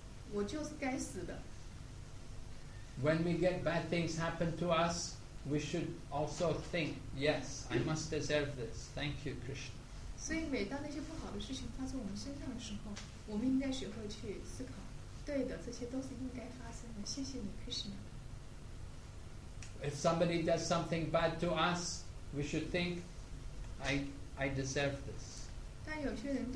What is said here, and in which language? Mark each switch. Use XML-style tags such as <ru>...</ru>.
<en>When we get bad things happen to us, we should also think, yes, I must deserve this. Thank you, Krishna.</en> <zh>所以每当那些不好的事情发生我们身上的时候，我们应该学会去思考，对的，这些都是应该发生的。谢谢你，Krishna.</zh> <en>If somebody does something bad to us, we should think, I deserve this.</en>